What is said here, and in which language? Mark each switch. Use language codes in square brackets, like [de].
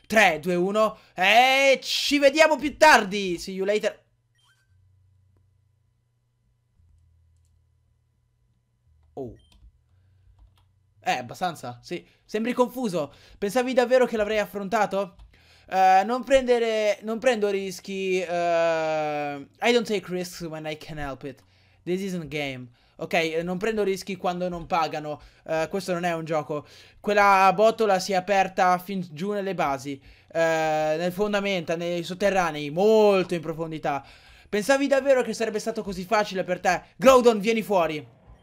[it] 3, 2, 1. E ci vediamo più tardi. [en] See you later. [it] Oh. Abbastanza. Sì. Sembri confuso. Pensavi davvero che l'avrei affrontato? Non prendo rischi. [en] I don't take risks when I can help it. This isn't a game. [it] Ok, non prendo rischi quando non pagano. Questo non è un gioco. Quella botola si è aperta fin giù nelle basi. Nel fondamenta, nei sotterranei, molto in profondità. Pensavi davvero che sarebbe stato così facile per te? Groudon, vieni fuori.